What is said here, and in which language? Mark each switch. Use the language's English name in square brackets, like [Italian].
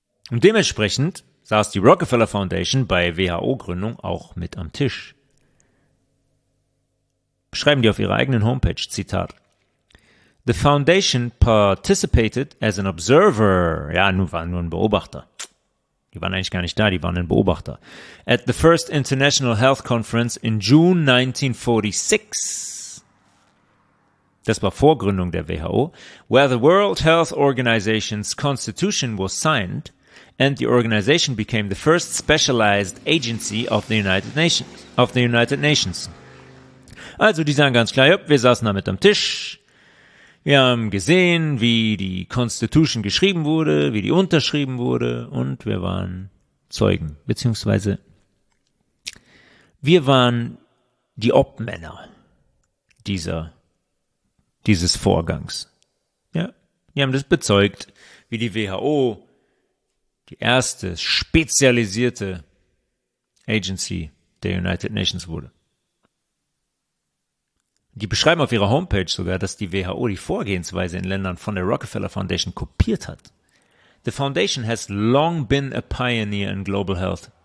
[German] Und dementsprechend saß die Rockefeller Foundation bei WHO-Gründung auch mit am Tisch. Schreiben die auf ihrer eigenen Homepage, Zitat: [English] The Foundation participated as an observer. [German] Ja, nun waren nur ein Beobachter. Die waren eigentlich gar nicht da, die waren ein Beobachter. [English] At the first International Health Conference in June 1946. [German] Das war vor Gründung der WHO, [English] where the World Health Organization's constitution was signed and the organization became the first specialized agency of the United Nations. [German] Also, die sagen ganz klar, ja, wir saßen da mit am Tisch. Wir haben gesehen, wie die Constitution geschrieben wurde, wie die unterschrieben wurde, und wir waren Zeugen, beziehungsweise wir waren die Obmänner dieses Vorgangs. Ja, die haben das bezeugt, wie die WHO die erste spezialisierte Agency der United Nations wurde. Die beschreiben auf ihrer Homepage sogar, dass die WHO die Vorgehensweise in Ländern von der Rockefeller Foundation kopiert hat. [English] The Foundation has long been a pioneer in global health.